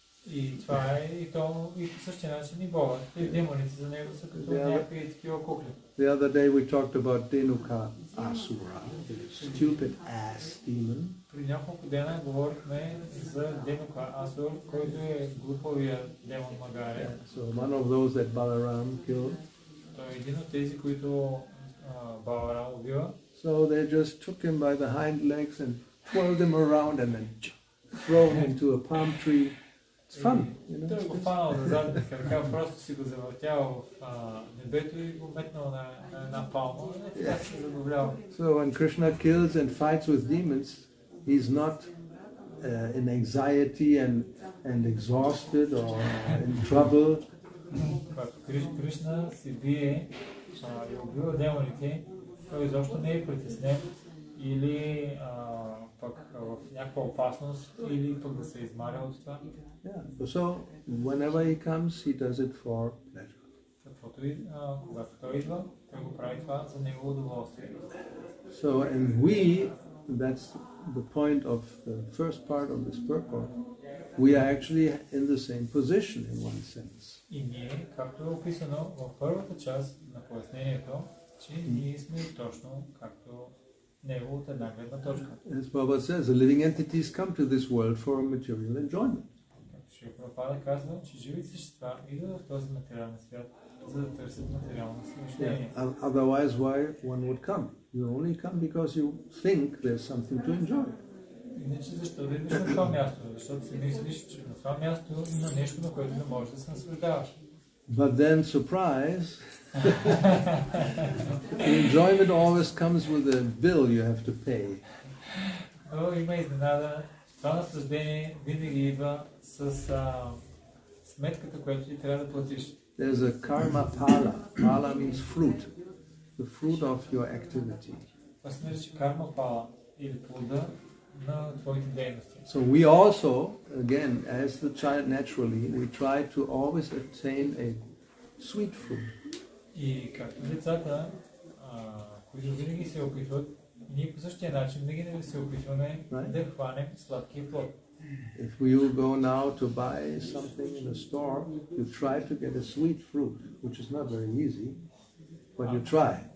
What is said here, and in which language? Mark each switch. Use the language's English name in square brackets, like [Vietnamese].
[Bulgarian] И това е и то и по същия начин и Бога. Те демоните за него са като някакви такива кукли. [English] The other day we talked about Denuka Asura, stupid ass demon. [Bulgarian] При няколко дена говорихме за Denuka Asura, който е глуповия демон Магаре. [English] So one of those that Balaram killed. [Bulgarian] Той е един от тези, които Баларам убива. [English] So they just took him by the hind legs and twirled him around and then throw him to a palm tree. It's fun, you know. [Bulgarian] Той го фанал на задната крака, просто си го завъртял в небето и го метнал на палма. Yeah. Така се забавлял. [English] So when Krishna kills and fights with demons, he's not in anxiety and exhausted or in trouble. [Bulgarian] Кришна си бие и убива демоните, той изобщо не е притеснен или пък в някаква опасност, или пък да се измаря от това. [English] Yeah. So whenever he comes, he does it for pleasure. [Bulgarian] Каквото и когато той идва, той го прави това за негово удоволствие. [English] So and we, that's the point of the first part of this purport, we are actually in the same position in one sense. [Bulgarian] И ние, както е описано в първата част на пояснението, че ние сме точно както него от една гледна точка. [English] As Baba says, the living entities come to this world for a material enjoyment. [Bulgarian] Прабхупада казва, че живите същества идват в този материален свят, за да търсят материално наслаждение. [English] Yeah. Otherwise, why one would come? You only come because you think there's something to enjoy. [Bulgarian] Иначе защо да идваш на това място? Защото си мислиш, че на това място има нещо, на което не можеш да се наслаждаваш. [English] But then, surprise, the enjoyment always comes with a bill you have to pay. [Bulgarian] Но има изненада. Това наслаждение винаги идва с сметката, която ти трябва да платиш. [English] There's a karma pala. Pala means fruit. The fruit of your activity. [Bulgarian] Това се нарича карма пала или плода на твоите дейности. [English] So we also, again, as the child naturally, we try to always attain a sweet fruit. [Bulgarian] И както децата, които винаги се опитват, ние по същия начин винаги да се опитваме да хванем сладкия плод. [English] If you go now to buy something in a store, you try to get a sweet fruit, which is not very easy, but you try.